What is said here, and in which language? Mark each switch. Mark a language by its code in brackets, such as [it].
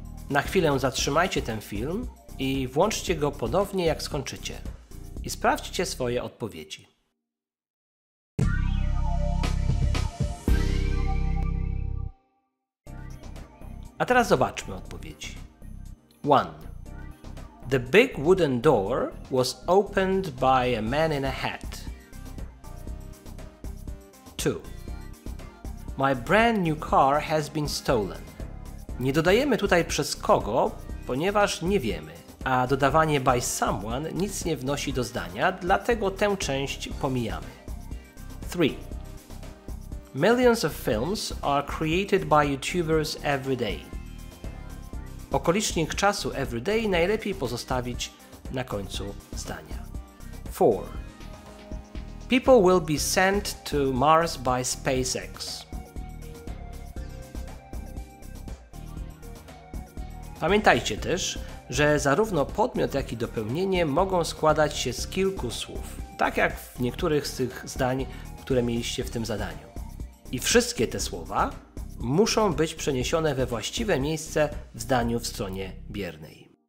[pl] Na chwilę zatrzymajcie ten film i włączcie go ponownie, jak skończycie. I sprawdźcie swoje odpowiedzi. A teraz zobaczmy odpowiedzi. 1. [en] The big wooden door was opened by a man in a hat. 2. My brand new car has been stolen. [pl] Nie dodajemy tutaj przez kogo, ponieważ nie wiemy, a dodawanie [en] by someone [pl] nic nie wnosi do zdania, dlatego tę część pomijamy. 3. [en] Millions of films are created by YouTubers every day. [pl] Okolicznik czasu [en] every day [pl] najlepiej pozostawić na końcu zdania. 4. [en] People will be sent to Mars by SpaceX. [pl] Pamiętajcie też, że zarówno podmiot, jak i dopełnienie mogą składać się z kilku słów, tak jak w niektórych z tych zdań, które mieliście w tym zadaniu. I wszystkie te słowa muszą być przeniesione we właściwe miejsce w zdaniu w stronie biernej.